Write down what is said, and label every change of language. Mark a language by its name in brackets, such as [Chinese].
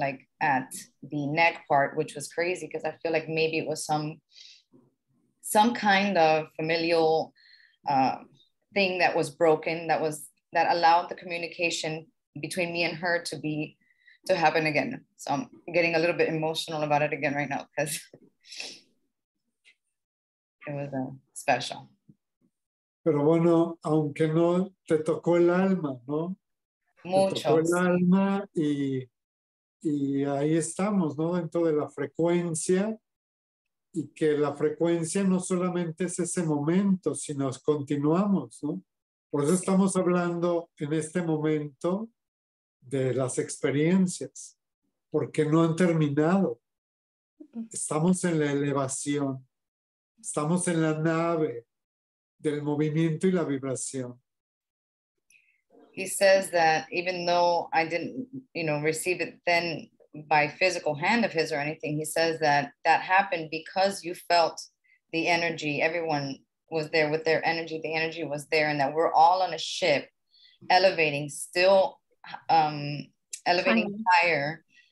[English] Like at the neck part, which was crazy because I feel like maybe it was some kind of familial thing that was broken, that allowed the communication between me and her to happen again. So I'm getting a little bit emotional about it again right now because it was special. [Spanish] Pero bueno, aunque no te tocó el alma, ¿no? Mucho. El alma y ahí estamos, ¿no? Dentro de la frecuencia y que la frecuencia no solamente es ese momento, sino continuamos, ¿no? Por eso estamos hablando en este momento de las experiencias, porque no han terminado. Estamos en la elevación, estamos en la nave del movimiento y la vibración. [English] He says that even though I didn't, you know, receive it then by physical hand of his or anything, he says that that happened because you felt the energy. Everyone was there with their energy. The energy was there and that we're all on a ship elevating, still elevating higher.